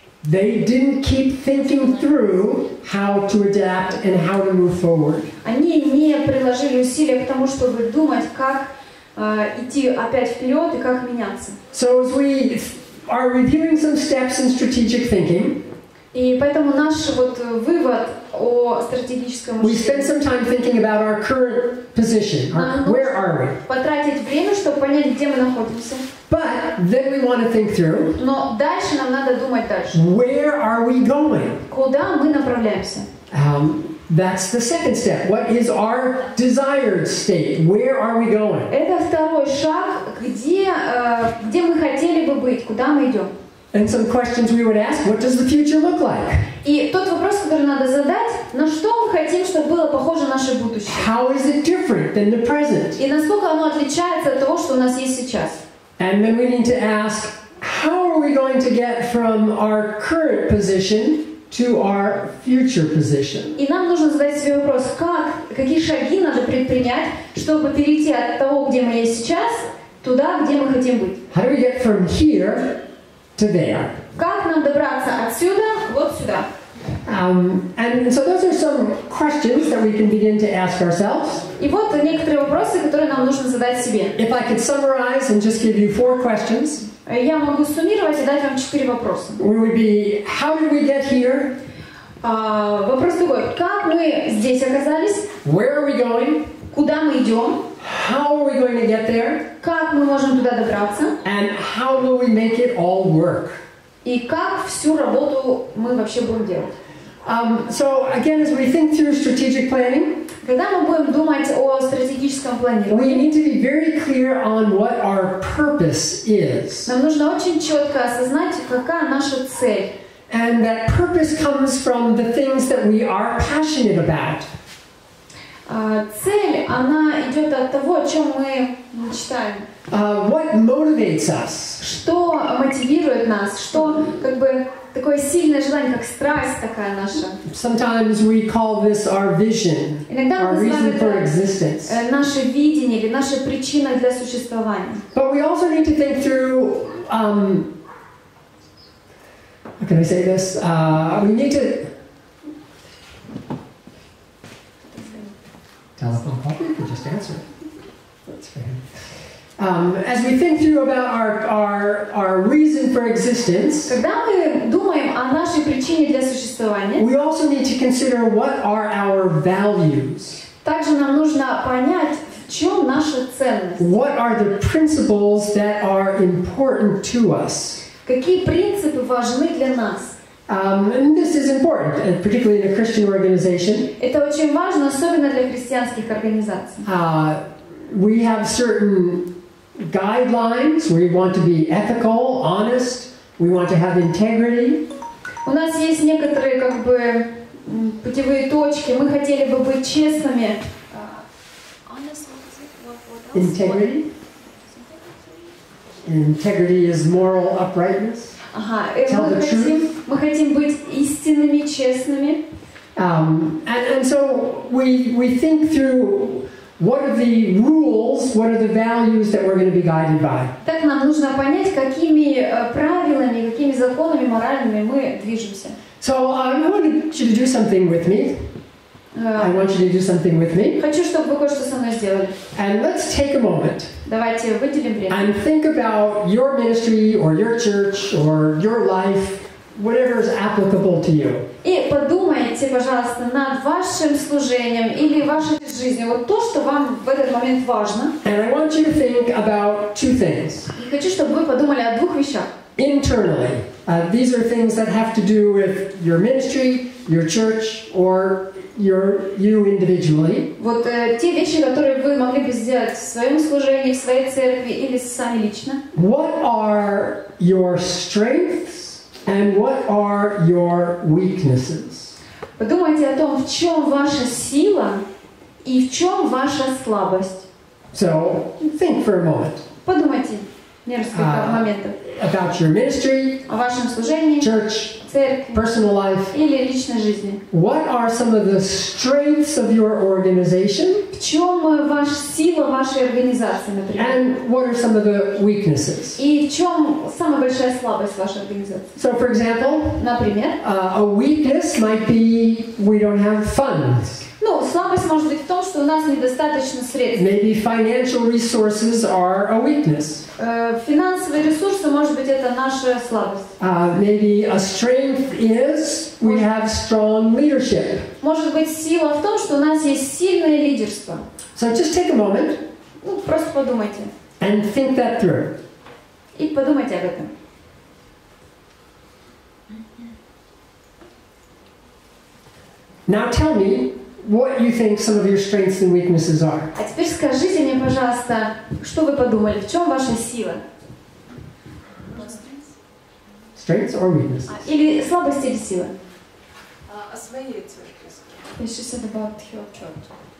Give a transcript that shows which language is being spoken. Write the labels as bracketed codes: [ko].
[en] They didn't keep thinking through how to adapt and how to move forward. [ru] Они не приложили усилия к тому, чтобы думать, как идти опять вперед и как меняться. [en] So as we are reviewing some steps in strategic thinking. [ru] И поэтому наш вот вывод о стратегическом мышлении. [en] We spend some time thinking about our current position. Where are we? [ru] Потратить время, чтобы понять, где мы находимся. [en] But then we want to think through. [ru] Но дальше нам надо думать дальше. [en] Where are we going? [ru] Куда мы направляемся? [en] That's the second step. What is our desired state? Where are we going? [ru] Это второй шаг, где мы хотели бы быть, куда мы идем. [en] And some questions we would ask: What does the future look like? [ru] И тот вопрос, который надо задать: на что мы хотим, чтобы было похоже наше будущее? [en] How is it different than the present? [ru] И насколько оно отличается от того, что у нас есть сейчас? [en] And then we need to ask: How are we going to get from our current position to our future position? [ru] И нам нужно задать себе вопрос: какие шаги надо предпринять, чтобы перейти от того, где мы есть сейчас, туда, где мы хотим быть? [en] How do we get from here? To there. [ru] Как нам добраться отсюда вот сюда? [en] And so those are some questions that we can begin to ask ourselves. [ru] И вот некоторые вопросы, которые нам нужно задать себе. [en] If I could summarize and just give you four questions. [ru] Я могу суммировать и дать вам четыре вопроса. [en] We would be: How did we get here? [ru] Вопрос такой: Как мы здесь оказались? [en] Where are we going? [ru] Куда мы идем? [en] How are we going to get there? [ru] Как мы можем туда добраться? [en] And how will we make it all work? [ru] И как всю работу мы вообще будем делать? [en] So again, as we think through strategic planning, [ru] когда мы будем думать о стратегическом планировании, [en] we need to be very clear on what our purpose is. [ru] Нам нужно очень четко осознать, какая наша цель. [en] And that purpose comes from the things that we are passionate about. [ru] Цель, она идет от того, о чем мы мечтаем. [en] What motivates us? [ru] Что мотивирует нас? Что, как бы, такое сильное желание, как страсть такая наша? [en] Sometimes we call this our vision, our reason for existence. [ru] Наше видение или наша причина для существования. [en] But we also need to think through, how can I say this? We need to... Telephone call, you can just answer. That's fair. As we think through about our reason for existence, [ru] когда мы думаем о нашей причине для существования, [en] we also need to consider what are our values. [ru] Также нам нужно понять, в чем наша ценность. [en] What are the principles that are important to us? [ru] Какие принципы важны для нас? [en] And this is important, particularly in a Christian organization. [ru] Это очень важно, особенно для христианских организаций. [en] We have certain guidelines. We want to be ethical, honest. We want to have integrity. [ru] У нас есть некоторые, как бы, путевые точки. Мы хотели бы быть честными. [en] Honest, integrity. Integrity is moral uprightness. [ru] Мы хотим быть истинными, честными. [en] And so we think through what are the rules, what are the values that we're going to be guided by. [ru] Так нам нужно понять, какими правилами, какими законами моральными мы движемся. [en] So I want you to do something with me. I want you to do something with me. [ru] Хочу, чтобы вы кое-что со мной сделали. [en] And let's take a moment. [ru] Давайте выделим время. [en] And think about your ministry or your church or your life, whatever is applicable to you. [ru] И подумайте, пожалуйста, над вашим служением или вашей жизнью. Вот то, что вам в этот момент важно. [en] And I want you to think about two things. [ru] И хочу, чтобы вы подумали о двух вещах. [en] Internally, these are things that have to do with your ministry, your church, or you individually. [ru] Вот те вещи, которые вы могли бы сделать в своем служении, в своей церкви или сами лично. [en] What are your strengths and what are your weaknesses? [ru] Подумайте о том, в чем ваша сила и в чем ваша слабость. [en] So, think for a moment. [ru] Подумайте несколько моментов. [en] About your ministry, [ru] о вашем служении, [en] church, [ru] церкви, [en] personal life, [ru] или личной жизни. [en] What are some of the strengths of your organization? [ru] В чем ваша сила вашей организации, например? [en] And what are some of the weaknesses? [ru] И в чем самая большая слабость вашей организации? [en] So, for example, [ru] например, [en] a weakness might be we don't have funds. [ru] Ну, слабость может быть в том, что у нас недостаточно средств. [en] Maybe financial resources are a weakness. [ru] Финансовые ресурсы, может быть, это наша слабость. [en] Maybe a strength is we have strong leadership. [ru] Может быть, сила в том, что у нас есть сильное лидерство. [en] So just take a moment. [ru] Ну, просто подумайте. [en] And think that through. [ru] И подумайте об этом. [en] Now tell me what you think some of your strengths and weaknesses are. [ru] А теперь скажите мне, пожалуйста, что вы подумали, в чем ваша сила? [en] Strengths or weaknesses? [ru] Или слабости или сила? О своей церкви. [en] She said about her church.